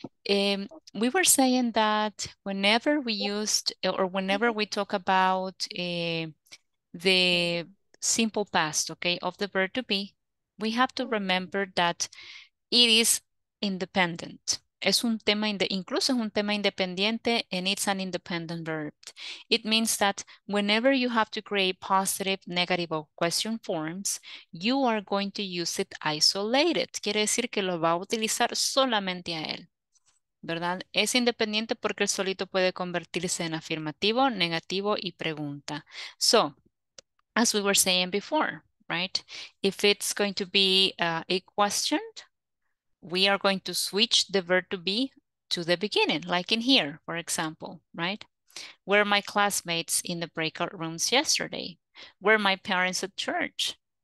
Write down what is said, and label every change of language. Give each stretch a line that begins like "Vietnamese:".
English: We were saying that whenever we used or whenever we talk about the simple past, okay, of the verb to be, we have to remember that it is independent.
Spanish: Es un tema, incluso es un tema independiente, and it's an independent verb.
English: It means that whenever you have to create positive, negative, or question forms, you are going to use it isolated.
Spanish: Quiere decir que lo va a utilizar solamente a él, ¿verdad? Es independiente porque el solito puede convertirse en afirmativo, negativo, y pregunta.
English: So, as we were saying before, right? If it's going to be a question, we are going to switch the verb to be to the beginning, like in here, for example, right? Were my classmates in the breakout rooms yesterday? Were my parents at church?